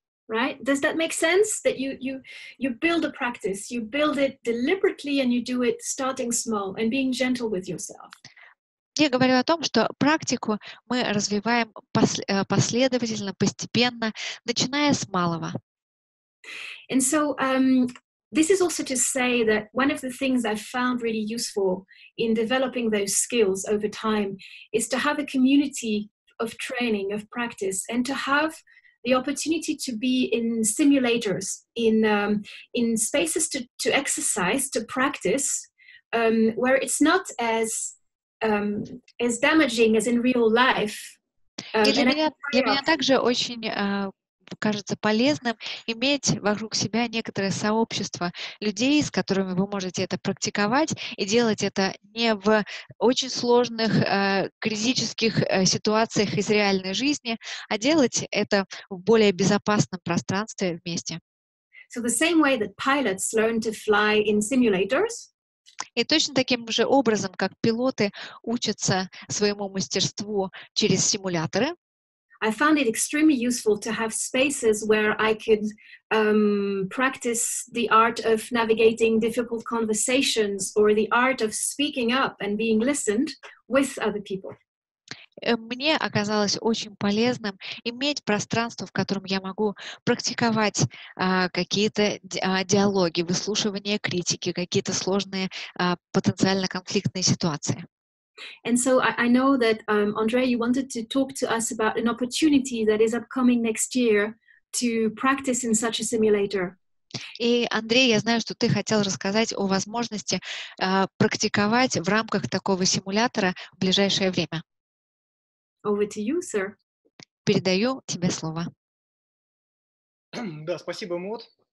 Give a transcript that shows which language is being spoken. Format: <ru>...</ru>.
<en>Right? Does that make sense? That you build a practice, you build it deliberately, and you do it starting small and being gentle with yourself.</en> <ru>Я говорю о том, что практику мы развиваем последовательно, постепенно, начиная с малого.</ru> <en>And so this is also to say that one of the things I've found really useful in developing those skills over time is to have a community of training, of practice, and to have the opportunity to be in simulators, in spaces to exercise, to practice, where it's not as damaging as in real life.</en> <ru>Для меня также очень кажется полезным иметь вокруг себя некоторое сообщество людей, с которыми вы можете это практиковать и делать это не в очень сложных критических ситуациях из реальной жизни, а делать это в более безопасном пространстве вместе.</ru> <en>So the same way that pilots learn to fly in simulators.</en> <ru>И точно таким же образом, как пилоты учатся своему мастерству через симуляторы,</ru> <en>I found it extremely useful to have spaces where I could practice the art of navigating difficult conversations or the art of speaking up and being listened with other people.</en> <ru>Мне оказалось очень полезным иметь пространство, в котором я могу практиковать какие-то диалоги, выслушивание критики, какие-то сложные потенциально конфликтные ситуации.</ru> <en>And so I know that, Andre, you wanted to talk to us about an opportunity that is upcoming next year to practice in such a simulator.</en> <ru>И, Андрей, я знаю, что ты хотел рассказать о возможности практиковать в рамках такого симулятора в ближайшее время.</ru> <en>Over to you, sir.</en> <ru>Передаю тебе слово. Да, спасибо, Мод.</ru>